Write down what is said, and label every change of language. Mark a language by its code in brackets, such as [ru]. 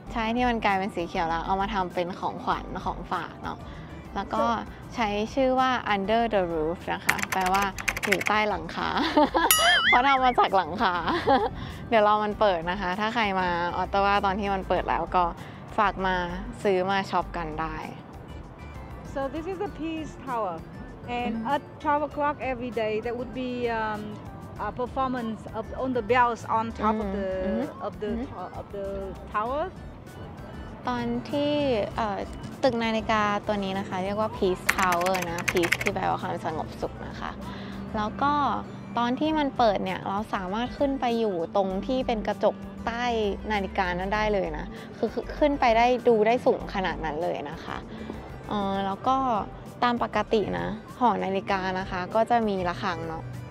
[th] ใช่ที่มันกลายเป็นสีเขียวแล้วเอามาทำเป็นของขวัญของฝากเนาะแล้วก็ใช้ชื่อว่า under the roof นะคะแปลว่าอยู่ใต้หลังคาเพราะทำมาจากหลังคาเดี๋ยวรอมันเปิดนะคะถ้าใครมาออตตาวาตอนที่มันเปิดแล้วก็ฝากมาซื้อมาช็อปกันได้ [en] so this is the peace towerAnd at 12 o'clock every day, there would be a performance of on the bells on top of the of the of the tower. [th] ตอนที่ตึกนาฬิกาตัวนี้นะคะเรียกว่า Peace Tower นะ Peace ที่แปลว่าความสงบสุขนะคะแล้วก็ตอนที่มันเปิดเนี่ยเราสามารถขึ้นไปอยู่ตรงที่เป็นกระจกใต้นาฬิกานั้นได้เลยนะคือขึ้นไปได้ดูได้สูงขนาดนั้นเลยนะคะแล้วก็ตามปกตินะหอนาฬิกานะคะก็จะมีระฆังเนาะ